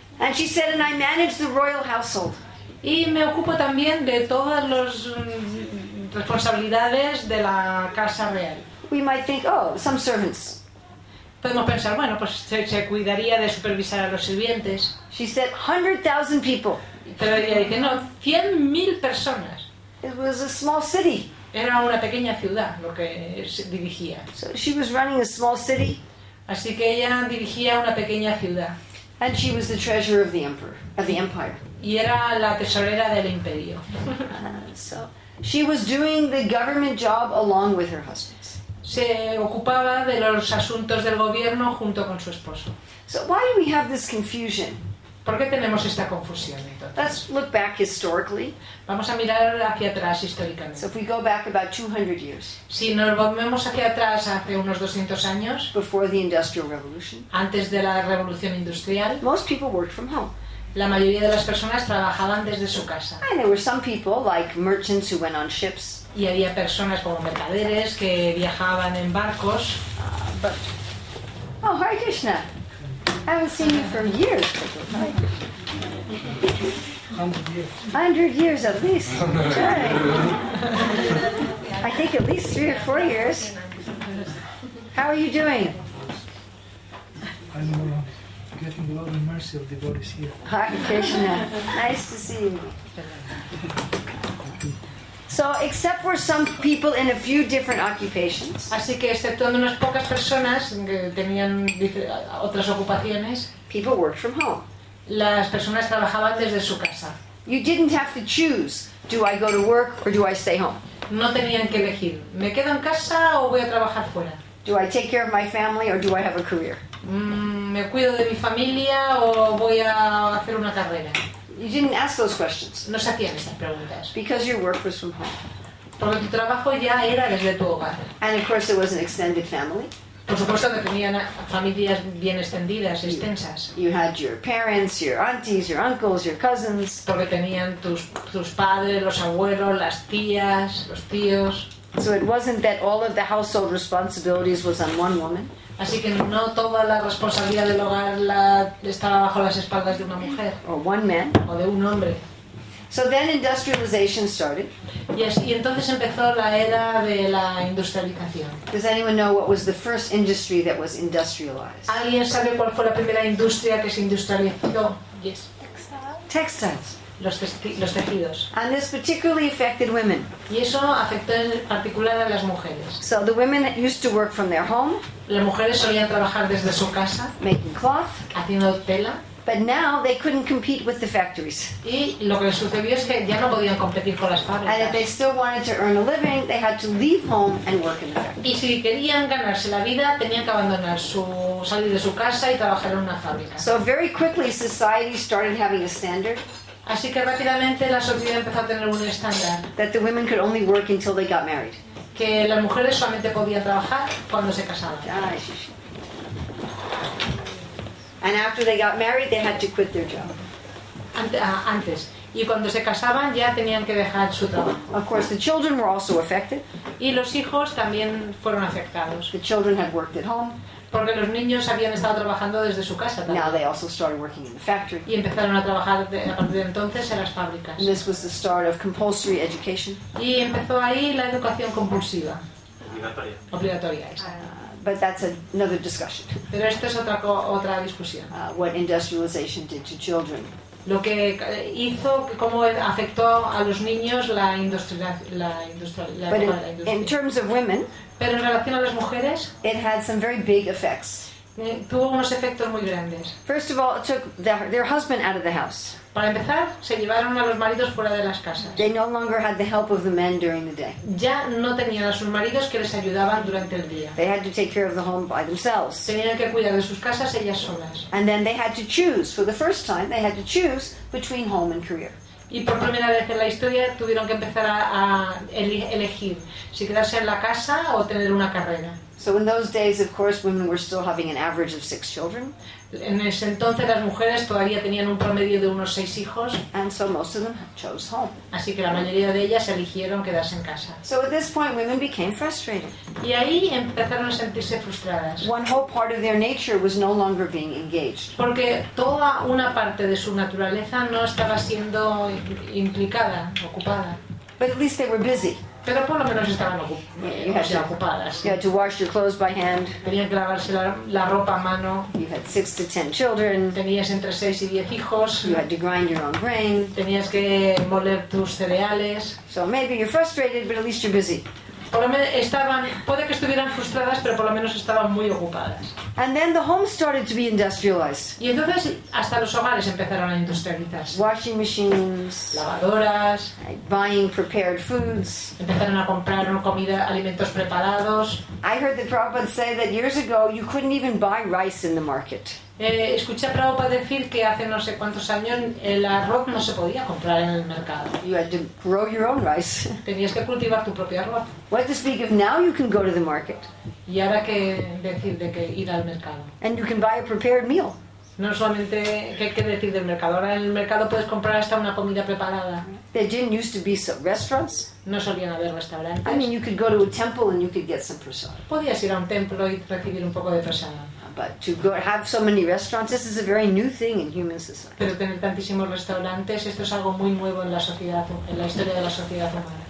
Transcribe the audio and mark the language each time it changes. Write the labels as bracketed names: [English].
[English] And she said, and I manage the royal household. [Spanish] Y me ocupo también de todas las responsabilidades de la casa real. [English] We might think, oh, some servants. [Spanish] Podemos pensar, bueno, pues se cuidaría de supervisar a los sirvientes. [English] She said 100,000 people. [Spanish] Pero ella dice, no, 100,000 personas. [English] It was a small city. [Spanish] Era una pequeña ciudad lo que dirigía. [English] So she was running a small city. [Spanish] Así que ella dirigía una pequeña ciudad. [English] And she was the treasurer of the emperor, of the empire. [Spanish] Y era la tesorera del imperio. [English] So she was doing the government job along with her husband. [Spanish] Se ocupaba de los asuntos del gobierno junto con su esposo. [English] So why do we have this confusion? [Spanish] ¿Por qué tenemos esta confusión entonces? [English] Let's look back historically. [Spanish] Vamos a mirar hacia atrás históricamente. [English] So if we go back about 200 years. [Spanish] Si nos volvemos hacia atrás hace unos 200 años. [English] Before the Industrial Revolution. [Spanish] Antes de la Revolución Industrial. [English] Most people worked from home. [Spanish] La mayoría de las personas trabajaban desde su casa. [English] And there were some people like merchants who went on ships. [Spanish] Y había personas como mercaderes que viajaban en barcos. [English] Oh, Hare Krishna. I haven't seen you for years. 100 years at least. I think at least 3 or 4 years. How are you doing? I'm getting love and mercy of devotees here. Hare Krishna. Nice to see you. So, except for some people in a few different occupations. [Spanish] Así que exceptuando unas pocas personas que tenían otras ocupaciones. [English] People worked from home. [Spanish] Las personas trabajaban desde su casa. [English] You didn't have to choose, do I go to work or do I stay home? [Spanish] No tenían que elegir, ¿me quedo en casa o voy a trabajar fuera? [English] Do I take care of my family or do I have a career? [Spanish] ¿Me cuido de mi familia o voy a hacer una carrera? [English] You didn't ask those questions. [Spanish] No se hacían esas preguntas. [English] Because your work was from home. [Spanish] Porque tu trabajo ya era desde tu hogar. [English] And of course it was an extended family. [Spanish] Por supuesto que tenían familias bien extendidas, extensas. [English] You had your parents, your aunties, your uncles, your cousins. [Spanish] Porque tenían tus padres, los abuelos, las tías, los tíos. [English] So it wasn't that all of the household responsibilities was on one woman. [Spanish] Así que no toda la responsabilidad del hogar estaba bajo las espaldas de una mujer. [English] Or one man. [Spanish] O de un hombre. [English] So then industrialization started. Yes, [Spanish] y entonces empezó la era de la industrialización. [English] Does anyone know what was the first industry that was industrialized? [Spanish] ¿Alguien sabe cuál fue la primera industria que se industrializó? [English] Yes. textiles. [Spanish] Los tejidos. [English] And this particularly affected women. [Spanish] Y eso afectó en particular a las mujeres. [English] So the women that used to work from their home, [Spanish] las mujeres solían trabajar desde su casa, [English] making cloth, [Spanish] haciendo tela. [English] But now they couldn't compete with the factories. [Spanish] Y lo que sucedió es que ya no podían competir con las fábricas. [English] And if they still wanted to earn a living, they had to leave home and work in the factory. [Spanish] Y si querían ganarse la vida, tenían que abandonar su salir de su casa y trabajar en una fábrica. [English] So very quickly society started having a standard. [Spanish] Así que rápidamente la sociedad empezó a tener un estándar. [English] That the women could only work until they got married. [Spanish] Que las mujeres solamente podían trabajar cuando se casaban. [English] And after they got married, they had to quit their job. [Spanish] Antes. Y cuando se casaban, ya tenían que dejar su trabajo. [English] Of course, the children were also affected. [Spanish] Y los hijos también fueron afectados. [English] The children had worked at home. [Spanish] Porque los niños habían estado trabajando desde su casa también. [English] Now they also started working in the factory. [Spanish] Y empezaron a trabajar a partir de entonces en las fábricas. [English] And this was the start of compulsory education. [Spanish] Y empezó ahí la educación compulsiva. Obligatoria. [English] But that's another discussion. [Spanish] Pero esto es otra discusión. [English] What industrialization did to children. [Spanish] Lo que hizo, cómo afectó a los niños la industrialización. [English] In terms of women, [Spanish] pero en relación a las mujeres, [English] it had some very big effects. [Spanish] Tuvo unos efectos muy grandes. [English] First of all, it took their husband out of the house. [Spanish] Para empezar, se llevaron a los maridos fuera de las casas. [English] They no longer had the help of the men during the day. [Spanish] Ya no tenían a sus maridos que les ayudaban durante el día. [English] They had to take care of the home by themselves. [Spanish] Tenían que cuidar de sus casas ellas solas. [English] And then they had to choose, for the first time, they had to choose between home and career. [Spanish] Y por primera vez en la historia tuvieron que empezar a elegir si quedarse en la casa o tener una carrera. [English] So in those days, of course, women were still having an average of 6 children. [Spanish] En ese entonces las mujeres todavía tenían un promedio de unos 6 hijos. [English] And so most of them chose home. [Spanish] Así que la mayoría de ellas eligieron quedarse en casa. [English] So at this point, women became frustrated. [Spanish] Y ahí empezaron a sentirse frustradas. [English] One whole part of their nature was no longer being engaged. [Spanish] Porque toda una parte de su naturaleza no estaba siendo implicada, ocupada. [English] But at least they were busy. [Spanish] Pero por lo menos estaban ocupadas. [English] You had to wash your clothes by hand. [Spanish] Tenían que lavarse la ropa a mano. [English] You had 6 to 10 children. [Spanish] Tenías entre 6 y 10 hijos. [English] You had to grind your own grain. [Spanish] Tenías que moler tus cereales. [English] So maybe you're frustrated, but at least you're busy. [Spanish] Puede que estuvieran frustradas, pero por lo menos estaban muy ocupadas. [English] And then the homes started to be industrialized. [Spanish] Y entonces hasta los hogares empezaron a industrializarse. [English] Washing machines, [Spanish] lavadoras, [English] buying prepared foods. [Spanish] Empezaron a comprar comida, alimentos preparados. [English] I heard the Prabhupada say that years ago you couldn't even buy rice in the market. [Spanish] Escuché a Prabhupada decir que hace no sé cuántos años el arroz no se podía comprar en el mercado. [English] You had to grow your own rice. [Spanish] Tenías que cultivar tu propio arroz. [English] What to speak of now you can go to the market. [Spanish] Y ahora que decir de que ir al mercado. [English] And you can buy a prepared meal. [Spanish] No solamente qué decir del mercado. Ahora en el mercado puedes comprar hasta una comida preparada. [English] There didn't used to be some restaurants. [Spanish] No solían haber restaurantes. [English] I mean, you could go to a temple and you could get some prasada. [Spanish] Podías ir a un templo y recibir un poco de prasada. [English] But to go have so many restaurants, this is a very new thing in human society. [Spanish] Pero tener tantísimos restaurantes, esto es algo muy nuevo en la sociedad, en la historia de la sociedad humana.